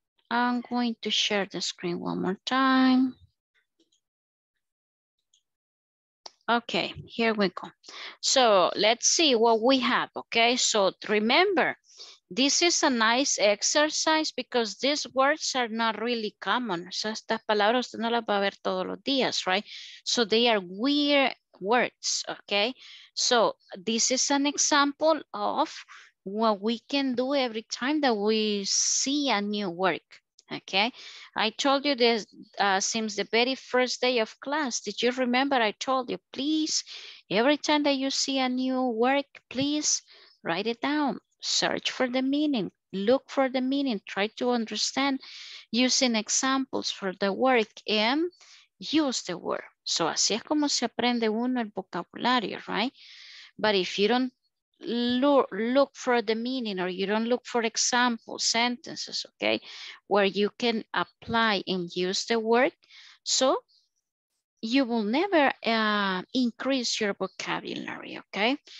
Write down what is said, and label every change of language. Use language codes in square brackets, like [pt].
[en] I'm going to share the screen one more time. Okay, here we go. So let's see what we have, okay? So remember, this is a nice exercise because these words are not really common. [es] So estas palabras no las va a ver todos los días, right? [en] So they are weird words, okay? So this is an example of what we can do every time that we see a new word. Okay, I told you this since the very first day of class. Did you remember I told you, please, every time that you see a new word, please write it down. Search for the meaning. Look for the meaning. Try to understand using examples for the word and use the word. [es] So así es como se aprende uno el vocabulario, right? [en] But if you don't look for the meaning, or you don't look for example sentences, okay, where you can apply and use the word, so you will never increase your vocabulary, okay?